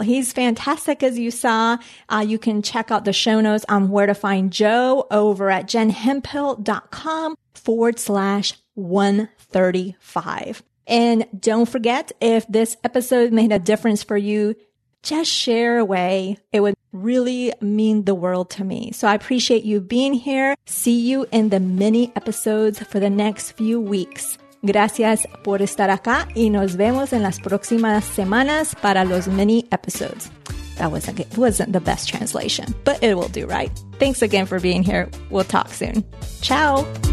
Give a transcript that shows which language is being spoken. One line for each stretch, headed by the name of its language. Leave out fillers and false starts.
English: He's fantastic, as you saw. You can check out the show notes on where to find Joe over at jenhemphill.com/135. And don't forget, if this episode made a difference for you, just share away. It would really mean the world to me. So I appreciate you being here. See you in the mini episodes for the next few weeks.
Spanish: Gracias por estar acá y nos vemos en las próximas semanas para los
English: mini episodes. That wasn't the best translation, but it will do, right? Thanks again for being here. We'll talk soon. Ciao.